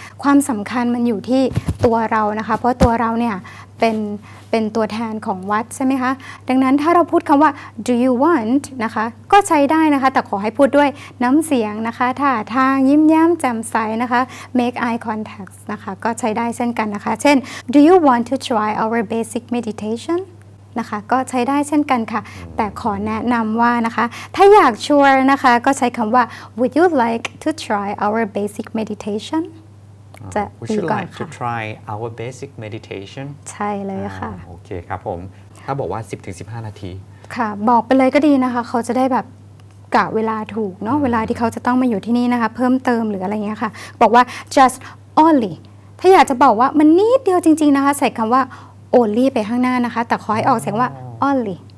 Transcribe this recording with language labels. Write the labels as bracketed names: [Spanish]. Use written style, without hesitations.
[Thai] ความสำคัญมันอยู่ที่ตัวเรานะคะเพราะตัวเราเนี่ยเป็นตัวแทนของวัดใช่ไหมคะดังนั้นถ้าเราพูดคำว่า do you want นะคะก็ใช้ได้นะคะแต่ขอให้พูดด้วยน้ำเสียงนะคะท่าทางยิ้มแย้มแจ่มใสนะคะ [English] make eye contact [Thai] นะคะก็ใช้ได้เช่นกันนะคะเช่น [English] do you want to try our basic meditation [Thai] นะคะก็ใช้ได้เช่นกันค่ะแต่ขอแนะนำว่านะคะถ้าอยากชัวร์นะคะก็ใช้คำว่า [English] would you like to try our basic meditation Would you like to try our basic meditation? [Thai] ใช่เลยค่ะ โอเคครับผมถ้าบอกว่า 10-15 นาที ค่ะบอกไปเลยก็ดีนะคะเขาจะได้แบบกะเวลาถูกเนาะเวลาที่เขาจะต้องมาอยู่ที่นี่นะคะเพิ่มเติมหรืออะไรเงี้ยค่ะบอกว่า just only ถ้าอยากจะบอกว่ามันนิดเดียวจริงๆนะคะใส่คำว่า only ไปข้างหน้านะคะแต่ขอให้ออกเสียงว่า only